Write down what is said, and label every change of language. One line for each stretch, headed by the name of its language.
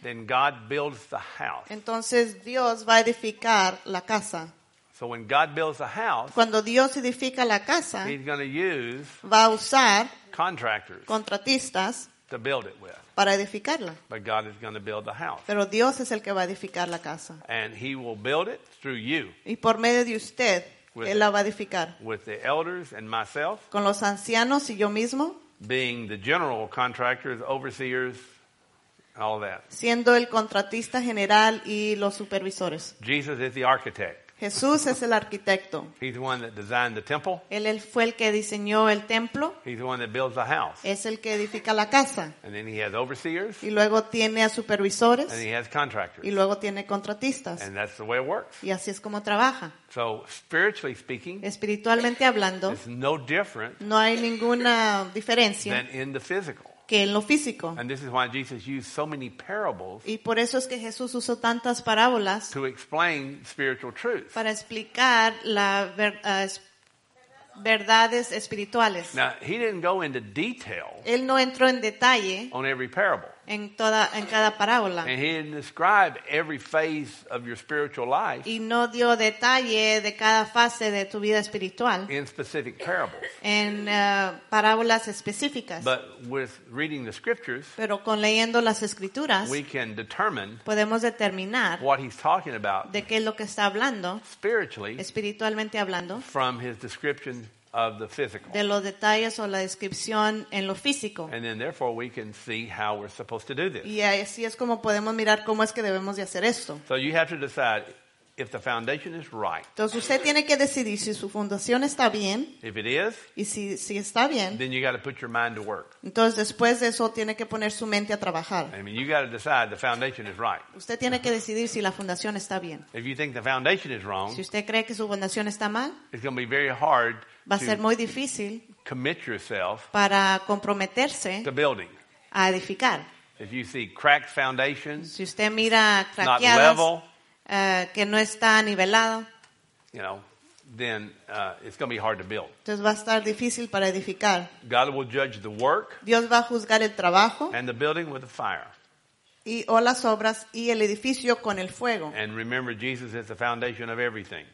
English: then God builds the house.
Spanish: Entonces Dios va a edificar la casa.
English: So when God builds a house,
Spanish: cuando Dios edifica la casa,
English: he's going to use,
Spanish: va a usar,
English: contractors,
Spanish: contratistas,
English: to build it with,
Spanish: para edificarla.
English: But God is going to build the house.
Spanish: Pero Dios es el que va a edificar la casa.
English: And he will build it through you.
Spanish: Y por medio de usted, él la va a edificar.
English: With the elders and myself,
Spanish: con los ancianos y yo mismo,
English: being the general contractors, overseers, all that.
Spanish: Siendo el contratista general y los supervisores.
English: Jesus is the architect.
Spanish: Jesús es el arquitecto.
English: He's the one that designed the temple.
Spanish: Él fue el que diseñó el templo.
English: He's the one that builds the house.
Spanish: Es el que edifica la casa.
English: And then he has overseers.
Spanish: Y luego tiene a supervisores.
English: And he has contractors.
Spanish: Y luego tiene contratistas.
English: And that's the way it works.
Spanish: Y así es como trabaja.
English: So, spiritually speaking,
Spanish: espiritualmente hablando,
English: it's no different,
Spanish: no hay ninguna diferencia,
English: than in the physical.
Spanish: Que en lo físico.
English: And this is why Jesus used so many parables,
Spanish: y por eso es que Jesús usó tantas parábolas,
English: to explain spiritual truth,
Spanish: para explicar la verdad, verdades espirituales.
English: Now, he didn't go into detail.
Spanish: Él no entró en detalle.
English: On every parable.
Spanish: En cada parábola.
English: And he didn't describe every phase of your spiritual life.
Spanish: Y no dio detalle de cada fase de tu vida espiritual.
English: In specific parables.
Spanish: En parábolas específicas.
English: But with reading the scriptures.
Spanish: Pero con leyendo las escrituras.
English: We can determine.
Spanish: Podemos determinar.
English: What he's talking about.
Spanish: De qué es lo que está hablando.
English: Spiritually.
Spanish: Espiritualmente hablando.
English: From his description. Of the physical.
Spanish: De los detalles o la descripción en lo físico.
English: And then therefore we can see how we're supposed to do this.
Spanish: Y así es como podemos mirar cómo es que debemos de hacer esto.
English: So you have to decide if the foundation is right.
Spanish: Entonces usted tiene que decidir si su fundación está bien.
English: If it is.
Spanish: Y si está bien.
English: Then you got to put your mind to work.
Spanish: Entonces después de eso tiene que poner su mente a trabajar.
English: I mean, you got to decide the foundation is right.
Spanish: Usted tiene que decidir si la fundación está bien.
English: If you think the foundation is wrong.
Spanish: Si usted cree que su fundación está mal.
English: It's going to be very hard.
Spanish: Va a ser muy difícil
English: commit yourself
Spanish: para comprometerse
English: to building.
Spanish: A edificar.
English: If you see cracked foundations,
Spanish: si usted mira craqueadas,
English: not level,
Spanish: que no está nivelado,
English: you know, then it's going to be hard to build.
Spanish: Entonces va a estar difícil para edificar.
English: God will judge the work.
Spanish: Dios va a juzgar el trabajo.
English: And the building with the fire.
Spanish: Y o las obras y el edificio con el fuego.
English: And remember, Jesus is the foundation of everything.